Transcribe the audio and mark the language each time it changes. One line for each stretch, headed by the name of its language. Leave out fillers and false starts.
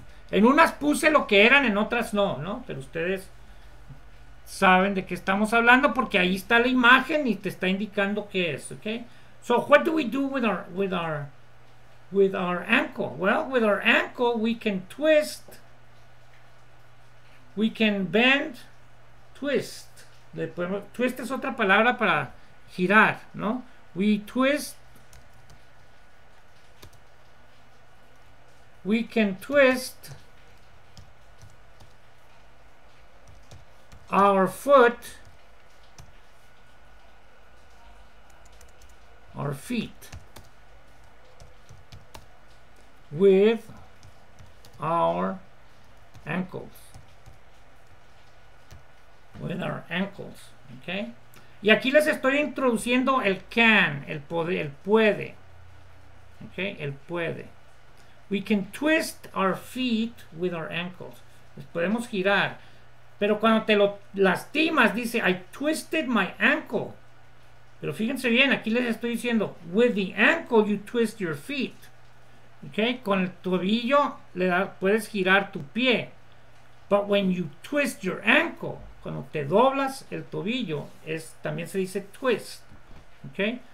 Spanish: En unas puse lo que eran, en otras no, ¿no? Pero ustedes saben de qué estamos hablando porque ahí está la imagen y te está indicando qué es, okay?
English: So what do we do with our ankle? Well, with our ankle we can twist We can bend, twist. Twist
Spanish: es otra palabra para girar, ¿no?
English: We twist. We can twist our foot, our feet, with our ankles. With our ankles, okay.
Spanish: Y aquí les estoy introduciendo el can, el poder, el puede, okay, el puede.
English: We can twist our feet with our ankles.
Spanish: Les podemos girar, pero cuando te lo lastimas, dice
English: I twisted my ankle.
Spanish: Pero fíjense bien, aquí les estoy diciendo
English: with the ankle you twist your feet,
Spanish: okay. Con el tobillo le da, puedes girar tu pie,
English: but when you twist your ankle,
Spanish: cuando te doblas el tobillo, es, también se dice twist. Okay?